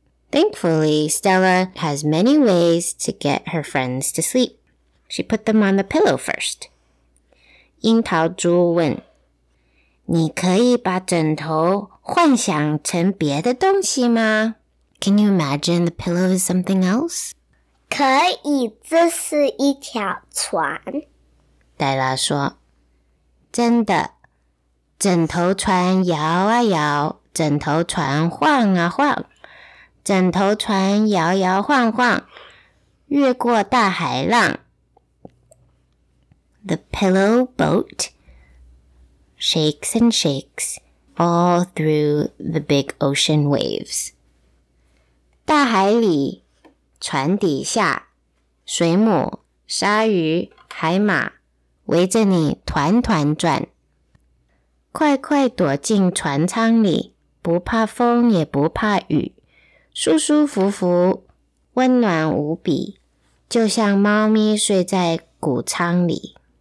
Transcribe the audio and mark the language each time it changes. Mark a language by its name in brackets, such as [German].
[English] Thankfully, Stella has many ways to get her friends to sleep. She put them on the pillow first. [Chinese] 樱桃猪问，你可以把枕头幻想成别的东西吗？ [English] Can you imagine the pillow is something else? [Chinese] 可以，这是一条船。黛拉说，真的。枕头船摇啊摇，枕头船晃啊晃，枕头船摇摇晃晃，越过大海浪。 [English] The pillow boat shakes and shakes all through the big ocean waves. [Chinese] 大海里，船底下，水母、鲨鱼、海马围着你团团转。快快躲进船舱里，不怕风也不怕雨，舒舒服服，温暖无比，就像猫咪睡在谷仓里。